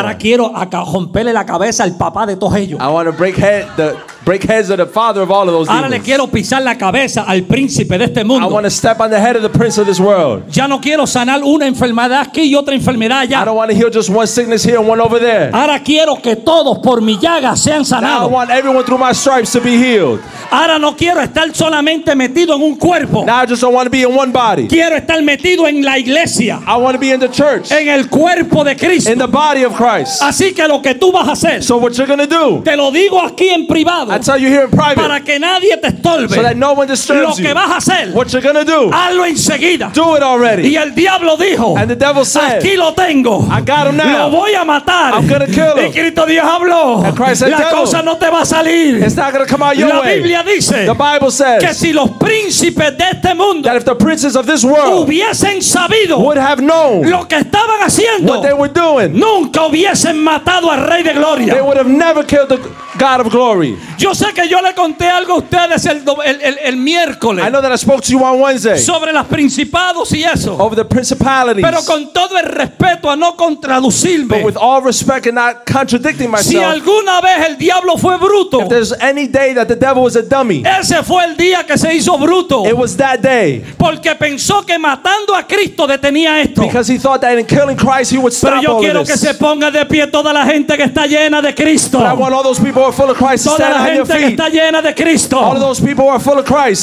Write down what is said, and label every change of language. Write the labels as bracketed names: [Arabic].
[Spanish] Ahora quiero romperle la cabeza al papá de todos ellos. [English] I want to break heads of the father of all of those demons. [Spanish] Ahora le quiero pisar la cabeza al príncipe de este mundo. [English] I want to step on the head of the prince of this world. [Spanish] Ya no quiero sanar una enfermedad aquí y otra enfermedad allá. [English] I don't want to heal just one sickness here and one over there. [Spanish] Ahora quiero que todos por mi llaga sean sanados. [English] Now I want everyone through my stripes to be healed. [Spanish] Ahora no quiero estar solamente metido en un cuerpo. [English] Now I just don't want to be in one body. [Spanish] Quiero estar metido en la iglesia. [English] I want to be in the church. [Spanish] En el cuerpo de Cristo. [English] In the body of Christ. [Spanish] Así que lo que tú vas a hacer. [English] So what you're going to do. [Spanish] Te lo digo aquí en privado. [English] I tell you here in private. [Spanish] Para que nadie te estorbe. [English] So that no one disturbs you. [Spanish] Lo que vas a hacer. [English] What you're going to do. [Spanish] Hazlo enseguida. [English] Do it already. [Spanish] Y el diablo dijo. [English] And the devil said. [Spanish] Aquí lo tengo. [English] I got him now. [Spanish] Lo voy a matar. [English] I'm going to kill him. [Spanish] Y Cristo Dios habló. [English] And Christ said, [Spanish] la cosa no te va a salir. [English] It's not going to come out your [Spanish] la [English] way. [Spanish] La Biblia dice. [English] The Bible says. [Spanish] Que si los príncipes de este mundo. [English] That if the princes of this world. [Spanish] Hubiesen sabido. [English] Would have known. [Spanish] Lo que estaban haciendo. [English] What they were doing. [Spanish] Nunca hubiesen matado al Rey de Gloria. [English] They would have never killed the God of Glory. [Spanish] Yo sé que yo le conté algo a ustedes el miércoles. [English] I know that I spoke to you on Wednesday. [Spanish] Sobre los principados y eso. [English] Over the principalities. [Spanish] Pero con todo el respeto a no contradecirme. [English] But with all respect and not contradicting myself. [Spanish] Si alguna vez el diablo fue bruto. [English] If there's any day that the devil was a dummy. [Spanish] Ese fue el día que se hizo bruto. [English] It was that day. [Spanish] Porque pensó que matando a Cristo detenía esto. [English] Because he thought that in killing Christ he would stop all [Spanish] this. Pero yo quiero que se ponga de pie toda la gente que está llena de Cristo. [English] But I want all those people who are full of Christ to stand. [Spanish] La gente que está llena de Cristo. [English] All of those people are full of Christ.